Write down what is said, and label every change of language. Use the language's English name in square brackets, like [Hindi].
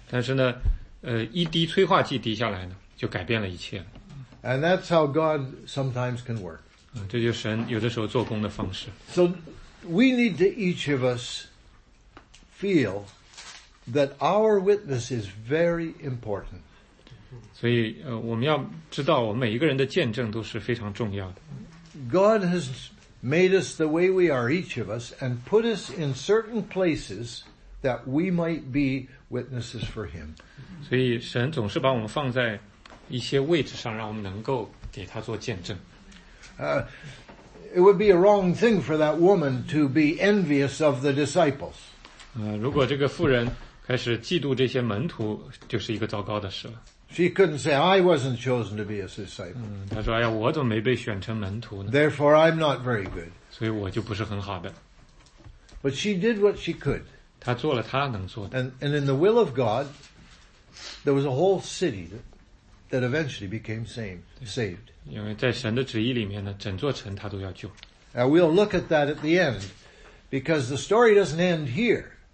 [Chinese] 但是呢，一滴催化剂滴下来呢，就改变了一切了。 [English] And that's how God sometimes can work. [Chinese] 这就是神有的时候做工的方式。 [English] So we need to each of us feel that our witness is very important. [Chinese] 所以我们要知道我们每一个人的见证都是非常重要的。 [English] God has made us the way we are, each of us, and put us in certain places that we might be witnesses for Him. [Chinese] 所以神总是把我们放在一些位置上，让我们能够给他做见证。 [English] It would be a wrong thing for that woman to be envious of the disciples. [Chinese] 如果这个妇人开始嫉妒这些门徒，就是一个糟糕的事了。 [English] She couldn't say, I wasn't chosen to be a disciple. [Chinese] 她说，哎呀，我怎么没被选成门徒呢？ [English] Therefore, I'm not very good. [Chinese] 所以我就不是很好的。 [English] But she did what she could. [Chinese] 她做了她能做的。 [English] And in the will of God, there was a whole city that eventually became saved. [Chinese] 因为在神的旨意里面呢，整座城他都要救。 [English] Now we'll look at that at the end, because the story doesn't end here.